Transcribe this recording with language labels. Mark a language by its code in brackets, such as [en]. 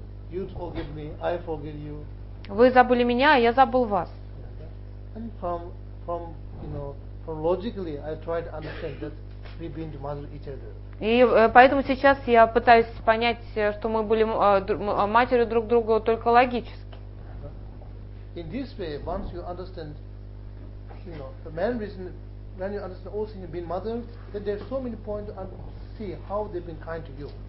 [en] You forget me, I forget you. [ru] Вы забыли меня, а я забыл вас. [en] And from you know, from logically, I try to understand that we've been to mother each other. [ru] И поэтому сейчас я пытаюсь понять, что мы были матерью друг друга только логически. [en] In this way, once you understand, you know, the main reason, when you understand all things being mother, then there are so many points to see how they've been kind to you.